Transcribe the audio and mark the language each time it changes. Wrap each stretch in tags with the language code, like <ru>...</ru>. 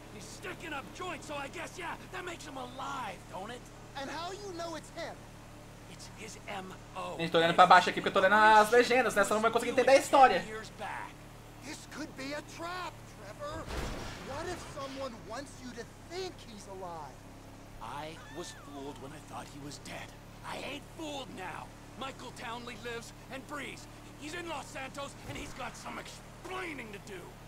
<en>He's sticking up joints, so I guess, yeah, that makes him alive, don't it? And how you know it's him? It's his M.O.</en> <pt>Gente, tô olhando pra baixo aqui porque eu tô lendo as legendas, né? Senão não vai conseguir entender a história.</pt> <en>This could be a trap, Trevor. What if someone wants you to think he's alive? I was fooled when I thought he was dead. I ain't fooled now. Michael Townley lives and breathes. He's in Los Santos and he's got some explaining to do.</en>